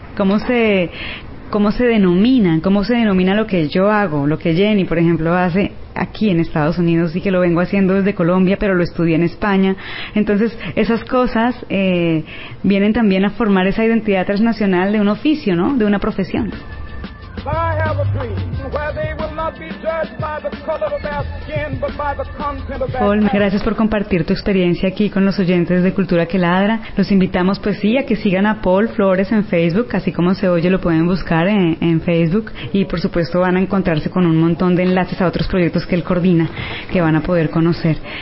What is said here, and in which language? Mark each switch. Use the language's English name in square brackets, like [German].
[Spanish] ¿Cómo se denomina lo que yo hago, lo que Jenny, por ejemplo, hace aquí en Estados Unidos y que lo vengo haciendo desde Colombia, pero lo estudié en España? Entonces, esas cosas vienen también a formar esa identidad transnacional de un oficio, ¿no?, de una profesión. [English] I have a dream where they will not be judged by the color of their skin, but by the content of their... [Spanish] Paul, gracias por compartir tu experiencia aquí con los oyentes de Cultura que Ladra. Los invitamos, pues sí, a que sigan a Paul Flores en Facebook, así como se oye, lo pueden buscar en Facebook, y por supuesto van a encontrarse con un montón de enlaces a otros proyectos que él coordina, que van a poder conocer.